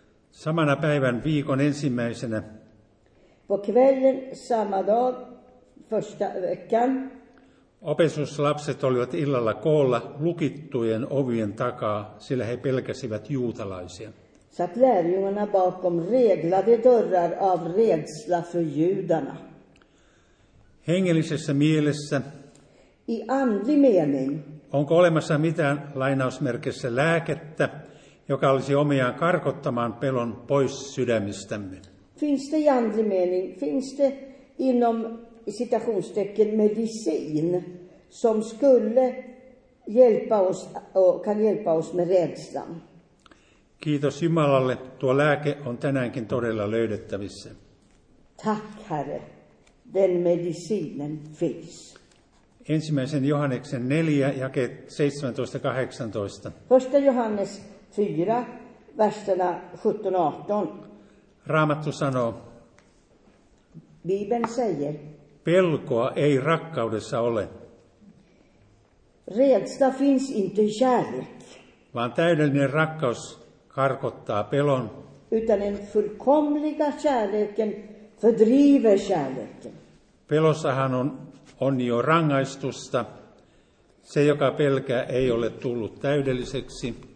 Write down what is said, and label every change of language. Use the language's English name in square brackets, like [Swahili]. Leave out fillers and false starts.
[Finnish] Samana päivän viikon ensimmäisenä. [Swedish] På kvällen samma dag första veckan. [Finnish] Opetuslapset olivat illalla koolla lukittujen ovien takaa, sillä he pelkäsivät juutalaisia. [Swedish] Satt lärjungarna bakom reglade dörrar av rädsla för judarna. [Finnish] Hengellisessä mielessä. [Swedish] I andlig mening. [Finnish] Onko olemassa mitään lainausmerkissä lääkettä, joka olisi omiaan karkottamaan pelon pois sydämistämme? [Swedish] Finns det i andlig mening? Finns det inom citationstecken medicin som skulle hjälpa oss och kan hjälpa oss med rädslan? [Finnish] Kiitos Jumalalle, tuo lääke on tänäänkin todella löydettävissä. [Swedish] Tack Herre, den medicinen finns. [Finnish] Ensimmäisen Johanneksen 4, jake 17-18. [Swedish] Första Johannes 4, verserna 17-18. [Finnish] Raamattu sanoo. [Swedish] Bibeln säger. [Finnish] Pelkoa ei rakkaudessa ole. [Swedish] Rädsla finns inte kärlek. [Finnish] Vaan täydellinen rakkaus karkottaa pelon. [Swedish] Utan en fullkomliga kärleken fördriver kärleken. [Finnish] Pelossahan on jo rangaistusta. Se, joka pelkää, ei ole tullut täydelliseksi.